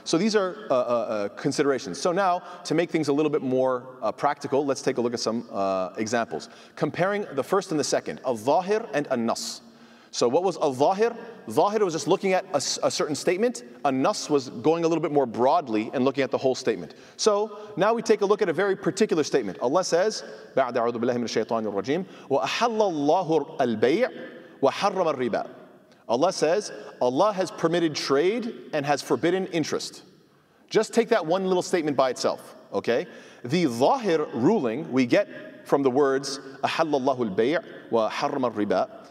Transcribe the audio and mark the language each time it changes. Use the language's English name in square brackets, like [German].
[English] So these are considerations. So now, to make things a little bit more practical, let's take a look at some examples. Comparing the first and the second, al-zahir and an-nas. So what was al-zahir? Zahir was just looking at a certain statement. An-nas was going a little bit more broadly and looking at the whole statement. So now we take a look at a very particular statement. Allah says, [Arabic] بعد أعوذ بالله من الشيطان الرجيم وَأَحَلَّ اللَّهُ الْبَيْعَ وَحَرَّمَ الرِّبَى. [English] Allah says, Allah has permitted trade and has forbidden interest. Just take that one little statement by itself, okay? The zahir ruling we get from the words [Arabic] أَحَلَّ اللَّهُ الْبَيْعَ وَحَرَّمَ الرِّبَى.